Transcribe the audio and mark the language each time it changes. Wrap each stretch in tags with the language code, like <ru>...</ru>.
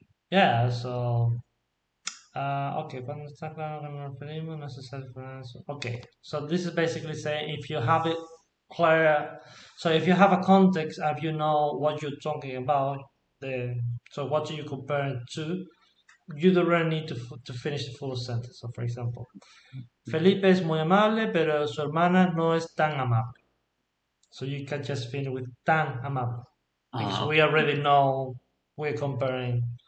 <en>Yeah, so okay, but necessary. Okay, so this is basically saying if you have it clear, so if you have a context and you know what you're talking about, then so what do you compare it to? You don't really need to finish the full sentence.</en> <es>So, for example, Felipe es muy amable, pero su hermana no es tan amable.</es> <en>So you can just finish with</en> <es>tan amable</es> <en>because we already know we're comparing.</en>